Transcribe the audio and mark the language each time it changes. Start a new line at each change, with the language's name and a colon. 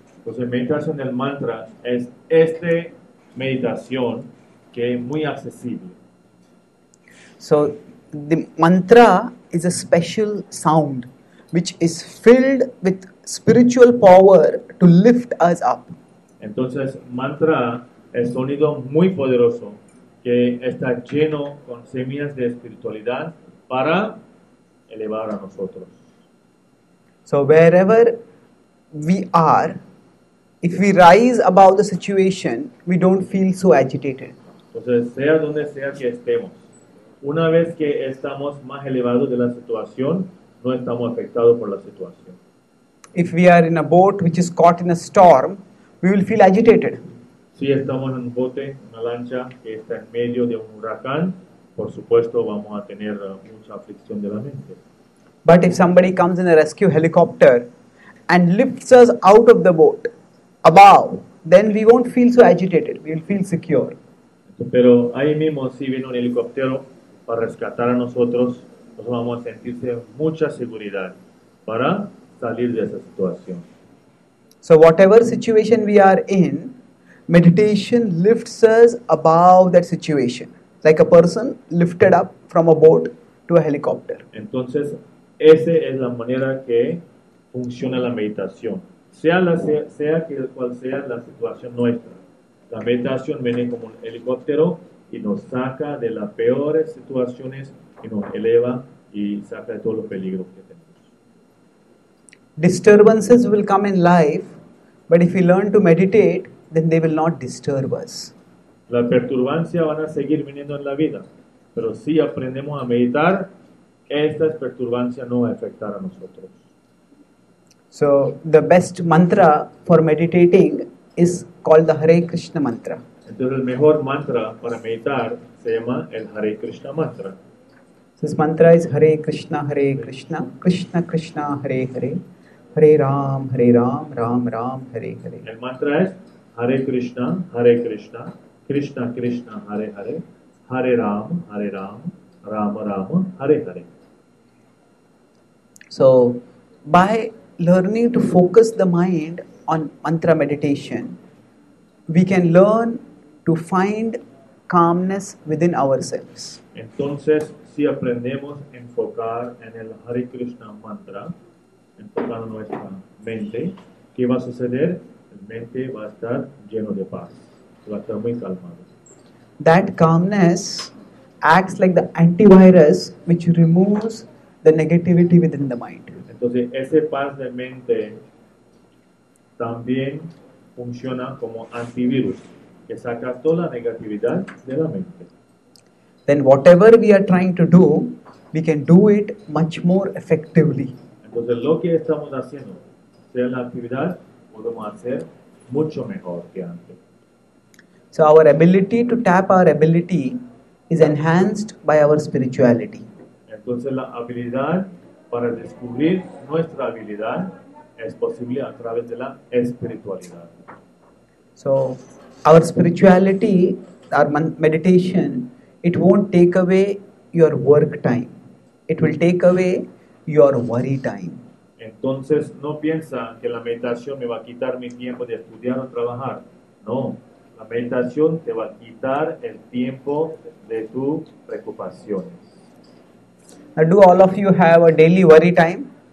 Spanish: Entonces, meditación del mantra es esta meditación que es muy accesible.
English: So, the mantra is a special sound which is filled with spiritual power to lift us up.
Spanish: Entonces, mantra es sonido muy poderoso que está lleno con semillas de espiritualidad para elevar a nosotros.
English: So, wherever we are, if we rise above the situation, we don't feel so agitated.
Spanish: Entonces, sea donde sea que estemos. Una vez que estamos más elevados de la situación, no estamos afectados por la situación.
English: If we are in a boat which is caught in a storm, we will feel agitated.
Spanish: Si estamos en un bote, una lancha que está en medio de un huracán, por supuesto vamos a tener mucha aflicción de la mente.
English: But if somebody comes in a rescue helicopter and lifts us out of the boat above, then we won't feel so agitated. We will feel secure.
Spanish: Pero ahí mismo si viene un helicóptero para rescatar a nosotros, nos vamos a sentir mucha seguridad para salir de esa situación.
English: So whatever situation we are in, meditation lifts us above that situation, like a person lifted up from a boat to a helicopter.
Spanish: Entonces, esa es la manera que funciona la meditación. Sea la situación nuestra, la meditación viene como un helicóptero y nos saca de las peores situaciones y nos eleva y saca de todos los peligros que tenemos.
English: Disturbances will come in life, but if we learn to meditate, then they will not disturb us.
Spanish: La perturbancia van a seguir viniendo en la vida, pero si aprendemos a meditar, esta perturbancia no va a afectar a nosotros.
English: So the best mantra for meditating is called the Hare Krishna mantra.
Spanish: Entonces el mejor mantra para meditar se llama el Hare Krishna mantra.
English: This mantra is Hare Krishna, Hare Krishna, Krishna Krishna, Hare Hare, Hare Ram, Hare Ram, Ram Ram, Hare Hare.
Spanish: El mantra es Hare Krishna, Krishna Krishna, Hare Hare, Hare Ram, Ram Ram, Hare Hare.
English: So by learning to focus the mind on mantra meditation, we can learn to find calmness within ourselves.
Spanish: Entonces, si aprendemos a enfocar en el Hare Krishna mantra, enfocando nuestra mente, ¿qué va a suceder? La mente va a estar lleno de paz, va a estar muy calmada.
English: That calmness acts like the antivirus which removes the negativity within the mind.
Spanish: Entonces, ese paz de mente también funciona como antivirus, que saca toda la negatividad de la mente.
English: Then whatever we are trying to do, we can do it much more effectively.
Spanish: Entonces, lo que estamos haciendo, sea la actividad, podemos hacer mucho mejor que antes.
English: So our ability to tap our ability is enhanced by our spirituality.
Spanish: Entonces, la habilidad para descubrir nuestra habilidad es posible a través de la espiritualidad.
English: So, our spirituality, our meditation, it won't take away your work time. It will take away your worry time.
Spanish: Entonces, no piensa que la meditación me va a quitar mi tiempo de estudiar o trabajar. No, la meditación te va a quitar el tiempo de tus preocupaciones.
English: Now, do all of you have a daily worry time?